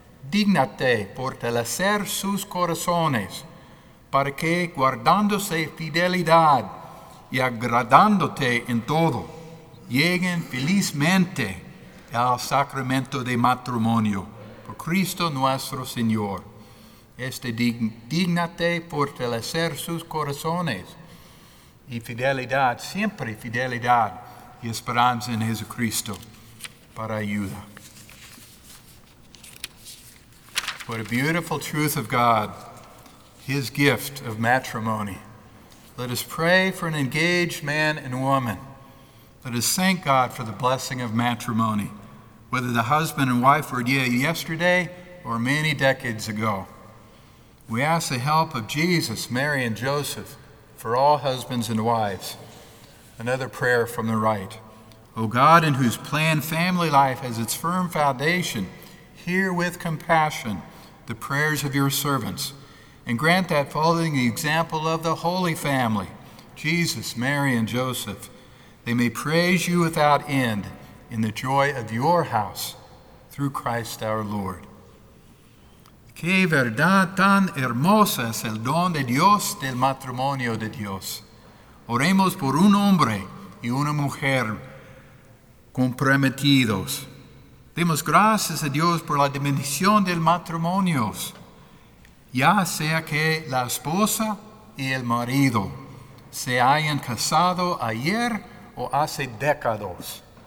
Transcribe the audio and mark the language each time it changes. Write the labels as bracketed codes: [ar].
[es] Dígnate fortalecer sus corazones para que, guardándose fidelidad y agradándote en todo, lleguen felizmente al sacramento de matrimonio. Por Cristo nuestro Señor. Dígnate fortalecer sus corazones y fidelidad, siempre fidelidad y esperanza en Jesucristo para ayuda. [en] What a beautiful truth of God, His gift of matrimony. Let us pray for an engaged man and woman. Let us thank God for the blessing of matrimony, whether the husband and wife were yesterday or many decades ago. We ask the help of Jesus, Mary, and Joseph for all husbands and wives. Another prayer from the right. O God, in whose plan family life has its firm foundation, hear with compassion the prayers of your servants, and grant that following the example of the Holy Family, Jesus, Mary, and Joseph, they may praise you without end in the joy of your house through Christ our Lord. [es] Qué verdad tan hermosa es el don de Dios del matrimonio de Dios. Oremos por un hombre y una mujer comprometidos. Demos gracias a Dios por la dimensión del matrimonio, ya sea que la esposa y el marido se hayan casado ayer o hace décadas.